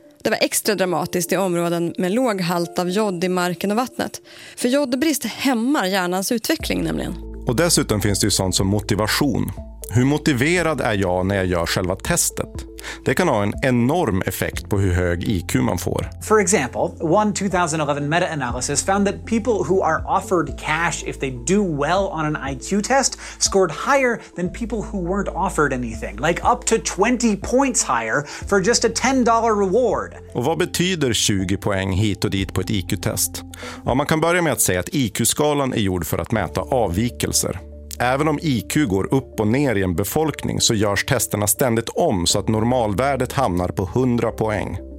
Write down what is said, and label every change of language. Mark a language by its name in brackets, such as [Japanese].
[Swedish] Det var extra dramatiskt i områden med låg halt av jod i marken och vattnet. För jodbrist hämmar hjärnans utveckling nämligen. Och dessutom finns det ju sånt som motivation. Hur motiverad är jag när jag gör själva testet? Det kan ha en enorm effekt på hur hög IQ man får. [English] For example, one 2011 meta-analysis found that people who are offered cash if they do well on an IQ test scored higher than people who weren't offered anything, like up to 20 points higher for just a $10 reward. [Swedish] Och vad betyder 20 poäng hit och dit på ett IQ-test? Ja, man kan börja med att säga att IQ-skalan är gjord för att mäta avvikelser. Även om IQ går upp och ner i en befolkning så görs testerna ständigt om så att normalvärdet hamnar på 100 poäng.